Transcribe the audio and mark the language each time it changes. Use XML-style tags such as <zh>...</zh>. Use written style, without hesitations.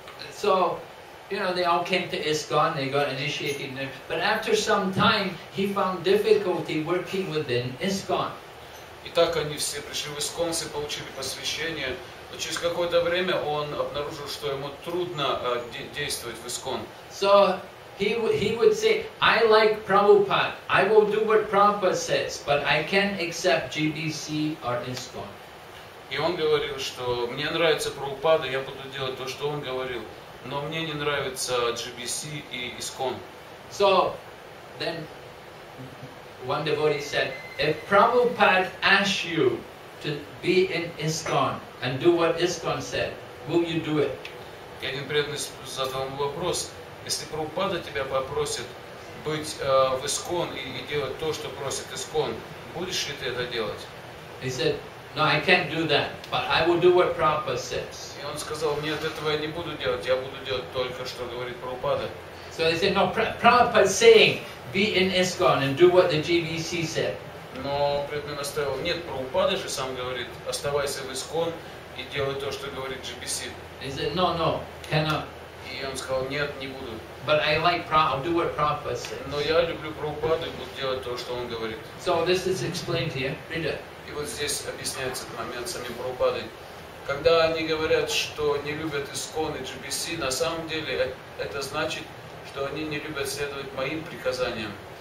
<en>So, they all came to ISKCON, they got initiated there. But after some time, he found difficulty working within ISKCON.</en> <ru>И так они все пришли в ИСКОН, все получили посвящение. Но через какое-то время он обнаружил, что ему трудно действовать в ИСКОН.</ru> <en>So, he would say, I like Prabhupada, I will do what Prabhupada says, but I can't accept GBC or ISKCON.</en> <ru>И он говорил, что мне нравится Прабхупада, я буду делать то, что он говорил, но мне не нравится GBC и ISKCON.</ru> <en>So, then one devotee said, if Prabhupada asks you to be in ISKCON and do what ISKCON said, will you do it?</en> <ru>И один преданный задал ему вопрос, если Прабхупада тебя попросит быть в ISKCON и делать то, что просит ISKCON, будешь ли ты это делать?</ru> <en>He said, no, I can't do that, but I will do what Prabhupada says.</en> <ru>И он сказал, нет, этого я не буду делать, я буду делать только, что говорит Прабхупада.</ru> <en>So they said, no, Prabhupada saying, be in ISKCON and do what the GBC said.</en> <ru>Но преданный настаивал, нет, Прабхупада же сам говорит, оставайся в ISKCON и делай то, что говорит GBC.</ru> <en>He said, no, no, cannot.</en> <ru>И он сказал, нет, не буду.</ru> <en>But I like Prabhupada, I'll do what Prabhupada says.</en> <ru>Но я люблю Прабхупаду и буду делать то, что он говорит.</ru> <en>So this is explained here, read it.</en> <ru>И вот здесь объясняется этот момент самим Прабхупадой. Когда они говорят, что не любят ISKCON и GBC, на самом деле это значит, что они не любят следовать моим приказаниям.</ru>